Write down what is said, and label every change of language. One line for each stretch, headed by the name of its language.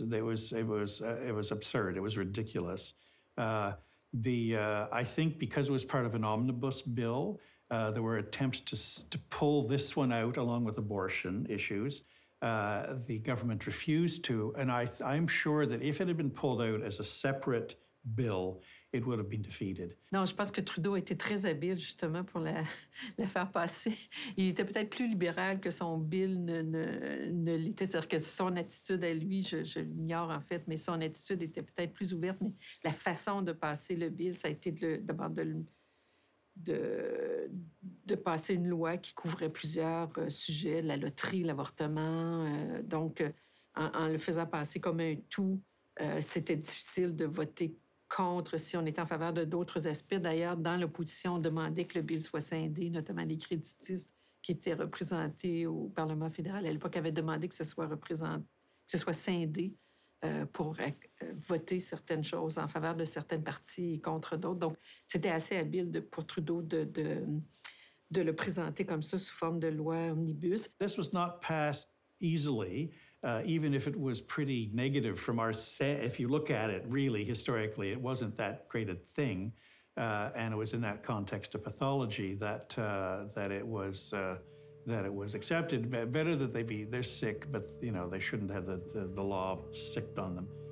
English: It was absurd. It was ridiculous. I think because it was part of an omnibus bill, there were attempts to pull this one out along with abortion issues. The government refused to, and I'm sure that if it had been pulled out as a separate bill, it would have been defeated.
French: Non, je pense que Trudeau était très habile justement pour la faire passer. Il était peut-être plus libéral que son bill ne l'était. C'est-à-dire que son attitude à lui, je l'ignore en fait, mais son attitude était peut-être plus ouverte. Mais la façon de passer le bill, ça a été d'abord de passer une loi qui couvrait plusieurs sujets, la loterie, l'avortement. Donc, en le faisant passer comme un tout, c'était difficile de voter contre si on était en faveur de d'autres aspects. D'ailleurs, dans l'opposition, on demandait que le bill soit scindé, notamment les créditistes qui étaient représentés au Parlement fédéral à l'époque avaient demandé que ce soit scindé pour voter certaines choses en faveur de certaines parties et contre d'autres. Donc, c'était assez habile pour Trudeau de le présenter comme ça sous forme de loi omnibus.
English: This was not passed easily. Even if it was pretty negative from our set, if you look at it, really, historically, it wasn't that great a thing. And it was in that context of pathology that it was accepted. Better that they're sick, but, you know, they shouldn't have the law sicked on them.